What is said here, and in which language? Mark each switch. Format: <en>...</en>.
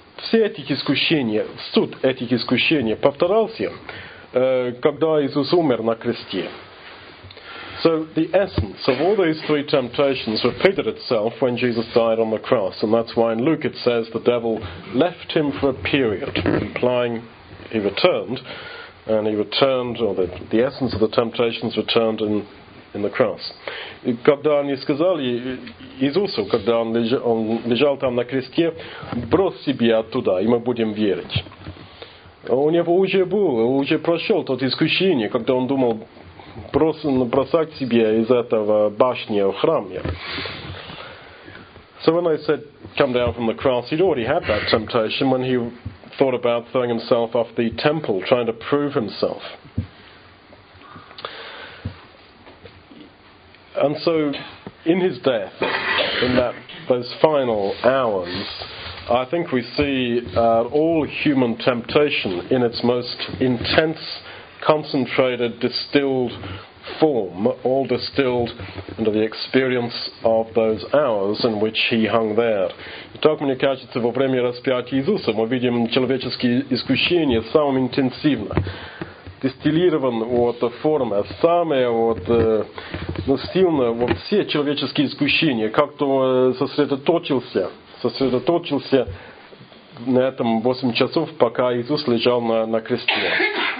<ru>Все эти искушения, суд этих искушений повторялся, когда Иисус умер на кресте.</ru> <en>So the essence of all these three temptations repeated itself when Jesus died on the cross, and that's why in Luke it says the devil left him for a period, implying he returned, and he returned, or the essence of the temptations returned in the cross.</en> <ru>Когда они сказали Иисусу, когда он лежал там на кресте, брось себя туда, и мы будем верить. У него уже был, уже прошел тот искушение, когда он думал, бросать себе из этого башни в храм.</ru> <en>So when they said, come down from the cross, he'd already had that temptation when he thought about throwing himself off the temple, trying to prove himself. And so, in his death, in those final hours, I think we see all human temptation in its most intense, concentrated, distilled form, all distilled into the experience of those hours in which he hung there.</en> <ru>Итак, мне кажется, во время распятия Иисуса мы видим человеческие искушения самым интенсивно. Дистиллирован вот форма, самое вот сильно вот все человеческие искушения, как-то сосредоточился на этом 8 часов, пока Иисус лежал на кресте.</ru>